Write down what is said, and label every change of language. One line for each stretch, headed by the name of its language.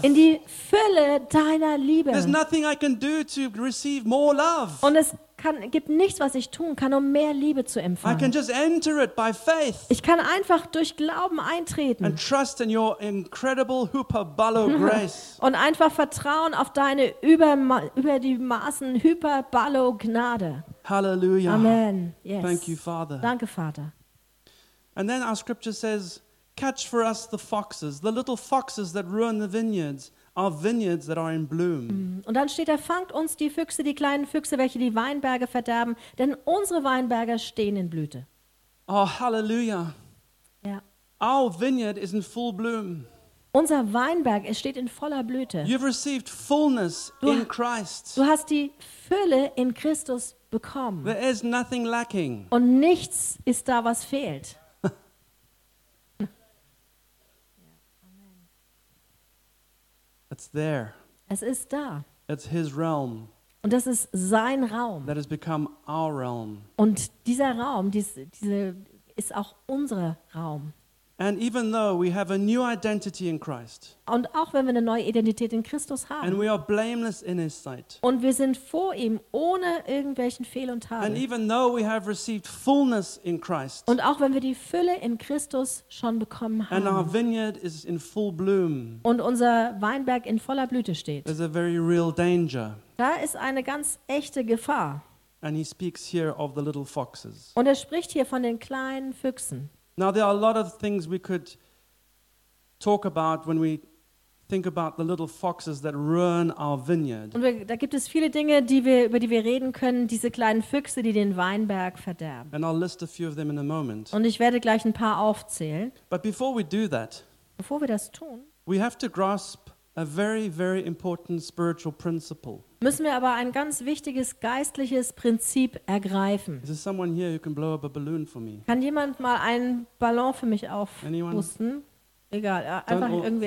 German: In die Fülle deiner Liebe.
English: There's nothing I can do to receive more love.
German: Und es gibt nichts, was ich tun kann, um mehr Liebe zu empfangen.
English: I can just enter it by faith.
German: Ich kann einfach durch Glauben eintreten.
English: And trust in your incredible hyperbolo grace.
German: Und einfach vertrauen auf deine über die Maßen hyperbolo Gnade. Halleluja.
English: Amen. Yes. Thank you, Father.
German: Danke, Vater.
English: And then our scripture says, catch for us the foxes, the little foxes that ruin the vineyards, our vineyards that are in bloom.
German: Und dann steht da, fangt uns die Füchse, die kleinen Füchse, welche die Weinberge verderben, denn unsere Weinberge stehen in Blüte.
English: Oh, hallelujah.
German: Ja.
English: Our vineyard is in full bloom.
German: Unser Weinberg, es steht in voller Blüte.
English: You've received fullness in Christ.
German: Du hast die Fülle in Christus bekommen.
English: There is nothing lacking.
German: Und nichts ist da, was fehlt.
English: It's there.
German: Es ist da.
English: It's his realm.
German: Und das ist sein Raum.
English: That has become our realm.
German: Und dieser Raum, diese ist auch unser Raum.
English: And even though we have a new identity in Christ.
German: Und auch wenn wir eine neue Identität in Christus haben.
English: And we are blameless in his sight.
German: Und wir sind vor ihm ohne irgendwelchen Fehl und Tadel.
English: And even though we have received fullness in Christ.
German: Und auch wenn wir die Fülle in Christus schon bekommen haben.
English: And our vineyard is in full bloom.
German: Und unser Weinberg in voller Blüte steht.
English: There's a very real danger.
German: Da ist eine ganz echte Gefahr.
English: And he speaks here of the little foxes.
German: Und er spricht hier von den kleinen Füchsen.
English: Now there are a lot of things we could talk about when we think about the little foxes that ruin our vineyard.
German: Und da gibt es viele Dinge, über die wir reden können, diese kleinen Füchse, die den Weinberg verderben.
English: And I'll list a few of them in a moment.
German: Und ich werde gleich ein paar aufzählen.
English: But before we do that,
German: bevor wir das tun,
English: we have to grasp a very, very important spiritual principle.
German: Müssen wir aber ein ganz wichtiges geistliches Prinzip ergreifen.
English: Is there someone here who can blow up a balloon for me?
German: Kann jemand mal einen Ballon für mich aufpusten? Egal, einfach irgendwie.